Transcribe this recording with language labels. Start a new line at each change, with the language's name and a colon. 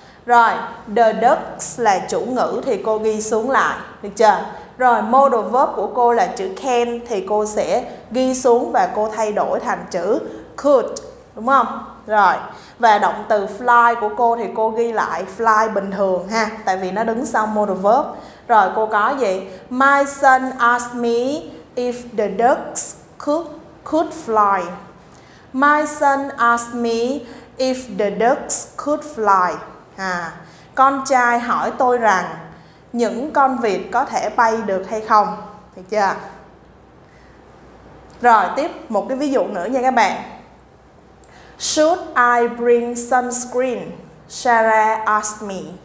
Vietnamese: Rồi,
English: the ducks
Vietnamese: là chủ ngữ thì cô ghi xuống lại, được chưa? Rồi, modal verb của cô là chữ can thì cô sẽ ghi xuống và cô thay đổi thành chữ could, đúng không? Rồi, và động từ fly của cô thì cô ghi lại fly bình thường ha, tại vì nó đứng sau modal verb. Rồi, cô có gì?
English: My son asked me if the ducks could fly. My son asked me if the ducks could fly.
Vietnamese: À, con trai hỏi tôi rằng những con vịt có thể bay được hay không? Được chưa? Rồi, tiếp một cái ví dụ nữa nha các bạn.
English: Should I bring sunscreen? Sarah asked me.